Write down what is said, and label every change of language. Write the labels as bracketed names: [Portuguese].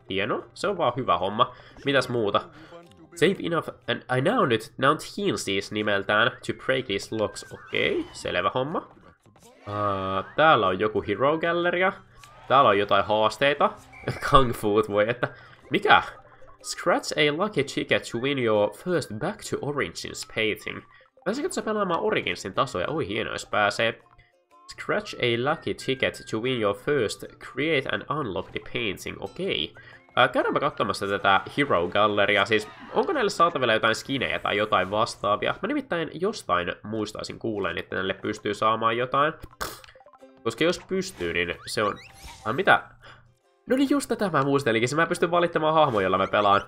[Finnish] Hieno, se on vaan hyvä homma. Mitäs muuta? [English] Save enough, and I now need to mount Heelsies [Finnish] nimeltään [English] to break these locks. [Finnish] Okei, okay, selvä homma. Täällä on joku Hero Galleria. Täällä on jotain haasteita. Kung Fu, voi että... Mikä? [English] Scratch a lucky ticket to win your first Back to Origins painting. [Finnish] Pääsikö sä pelaamaan Originsin tasoja? Oi hieno, jos pääsee. [English] Scratch a lucky ticket to win your first Create and Unlock the painting. [Finnish] Okei. Okay. Käydäänpä katsomassa tätä Hero Galleria. Siis onko näille saatavilla jotain skinejä tai jotain vastaavia? Mä nimittäin jostain muistaisin kuulen, että näille pystyy saamaan jotain. Koska jos pystyy, niin se on... mitä? No niin just tätä mä muistelinkin, se mä pystyn valittamaan hahmoja, jolla mä pelaan.